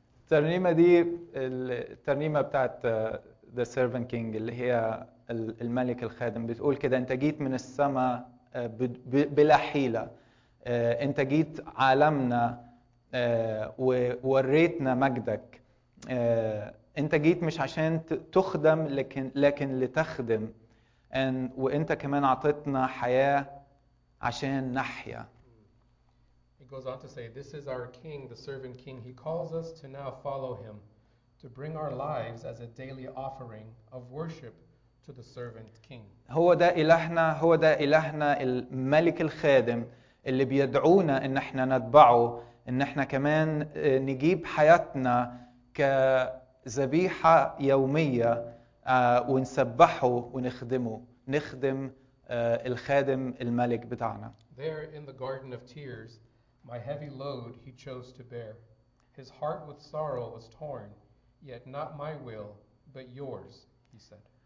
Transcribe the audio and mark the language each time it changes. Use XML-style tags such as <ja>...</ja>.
<ar>ترنيمة دي الترنيمة بتاعت</ar> <en>the servant king</en> <ar>اللي هي الملك الخادم بتقول كده انت جيت من السماء بلا حيلة انت جيت عالمنا ووريتنا مجدك انت جيت مش عشان تخدم لكن لتخدم ان وانت كمان عطيتنا حياه عشان نحيا</ar> <en>He goes on to say this is our king the servant king he calls us to now follow him to bring our lives as a daily offering of worship to the servant king</en> <ar>هو ده إلهنا الملك الخادم اللي بيدعونا ان احنا نتبعه ان احنا كمان نجيب حياتنا ك ذبيحة يومية ونسبحه ونخدمه نخدم الخادم الملك بتاعنا</ar> <en>There in the garden of tears my heavy load he chose to bear his heart with sorrow was torn yet not my will but yours he said</en>